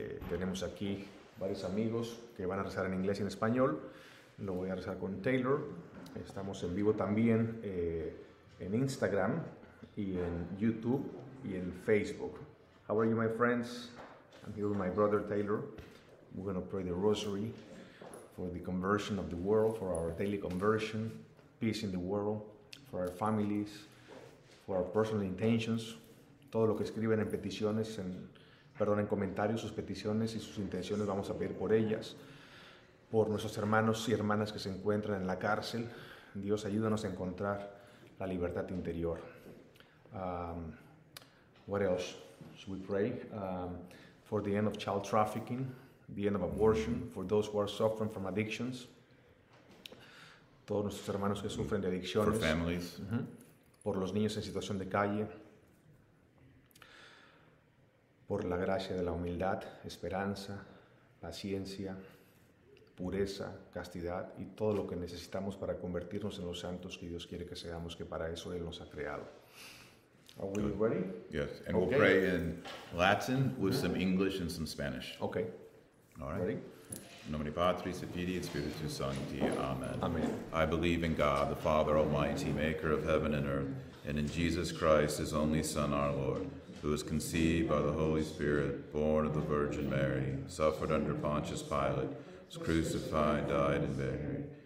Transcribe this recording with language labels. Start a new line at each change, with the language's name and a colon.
Spanish: Tenemos aquí varios amigos que van a rezar en inglés y en español. Lo voy a rezar con Taylor. Estamos en vivo también en Instagram y en YouTube y en Facebook.
English: How are you, my friends? I'm here with my brother Taylor. We're going to pray the rosary for the conversion of the world, for our daily conversion, peace in the world, for our families, for our personal intentions.
Spanish: Todo lo que escriben en peticiones, en comentarios, sus peticiones y sus intenciones, vamos a pedir por ellas, por nuestros hermanos y hermanas que se encuentran en la cárcel. Dios, ayúdanos a encontrar la libertad interior.
English: What else should we pray? For the end of child trafficking, the end of abortion, for those who are suffering from addictions,
Spanish: todos nuestros hermanos que sufren de adicciones,
English: for families,
Spanish: por los niños en situación de calle, por la gracia de la humildad, esperanza, paciencia, pureza, castidad y todo lo que necesitamos para convertirnos en los santos que Dios quiere que seamos, que para eso Él nos ha creado.
English: Are we ready? Yes, and okay. We'll pray in Latin with some English and some Spanish. Okay. All right. Ready?
Latin: In nomine Patris et Filii et Spiritus Sancti. Amen. Amen.
English: I believe in God, the Father Almighty, maker of heaven and earth, and in Jesus Christ, His only Son, our Lord, who was conceived by the Holy Spirit, born of the Virgin Mary, suffered under Pontius Pilate, was crucified, died, and buried.